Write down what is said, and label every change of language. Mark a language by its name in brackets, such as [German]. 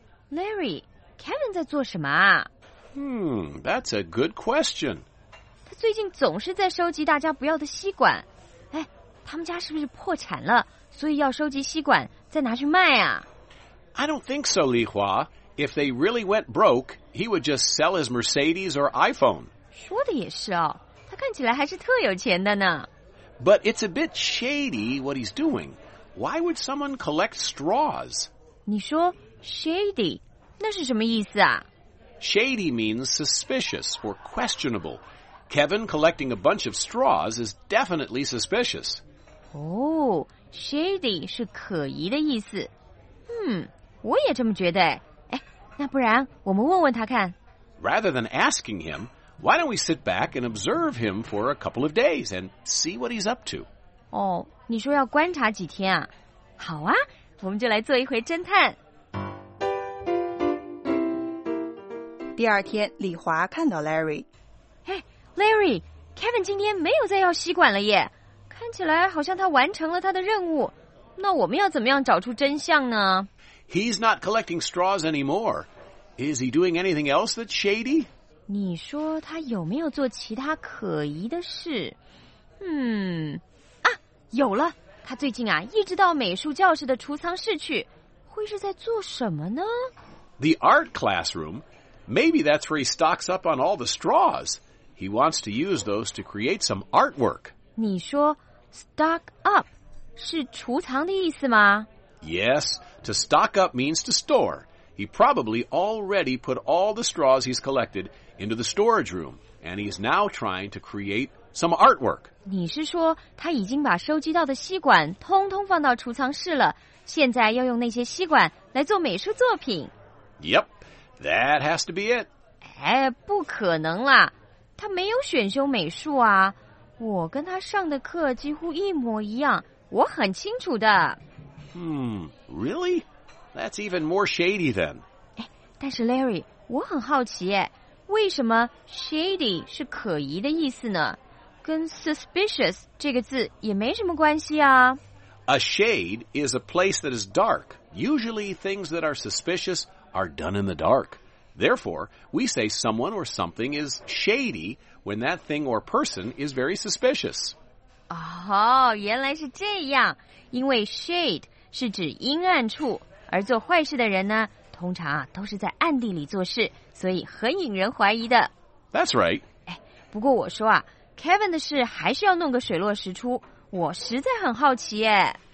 [Chinese] Larry， Kevin 在做什么啊？ [English] That's a good question。 [Chinese] 他最近总是在收集大家不要的吸管。哎，他们家是不是破产了，所以要收集吸管再拿去卖啊？ [English] I don't think so, 李华。 If they really went broke, he would just sell his Mercedes or iPhone. [Chinese] 说的也是哦，他看起来还是特有钱的呢。 [English] But it's a bit shady what he's doing. Why would someone collect straws? [Chinese] 你说 shady, 那是什么意思啊？ [English] Shady means suspicious or questionable. Kevin collecting a bunch of straws is definitely suspicious. [Chinese] Oh, shady 是可疑的意思。我也这么觉得。那不然我们问问他看。 [English] Rather than asking him, why don't we sit back and observe him for a couple of days and see what he's up to? [Chinese] 哦，你说要观察几天啊？好啊，我们就来做一回侦探。第二天，李华看到 Larry。 Larry, Kevin 今天没有再要吸管了耶，看起来好像他完成了他的任务。那我们要怎么样找出真相呢？ [English] He's not collecting straws anymore. Is he doing anything else that's shady? [Chinese] 你说他有没有做其他可疑的事？有了。他最近啊，一直到美术教室的储藏室去，会是在做什么呢？ [English] The art classroom. Maybe that's where he stocks up on all the straws. He wants to use those to create some artwork. [Chinese] 你说 stock up 是储藏的意思吗？ [English] Yes, to stock up means to store. He probably already put all the straws he's collected into the storage room, and he's now trying to create some artwork. [Chinese] 你是说他已经把收集到的吸管通通放到储藏室了，现在要用那些吸管来做美术作品。 [English] Yep, that has to be it. [Chinese] 哎，不可能啦，他没有选修美术啊，我跟他上的课几乎一模一样，我很清楚的。 [English] Really? That's even more shady then. [Chinese] 哎，但是 Larry, 我很好奇耶，为什么 shady 是可疑的意思呢？跟 suspicious 这个字也没什么关系啊。 [English] A shade is a place that is dark. Usually things that are suspicious are done in the dark. Therefore, we say someone or something is shady when that thing or person is very suspicious. [Chinese] 哦，原来是这样。因为 shade 是指阴暗处，而做坏事的人呢，通常啊，都是在暗地里做事，所以很引人怀疑的。 [English] That's right. [Chinese] 哎，不过我说啊，Kevin 的事还是要弄个水落石出，我实在很好奇耶。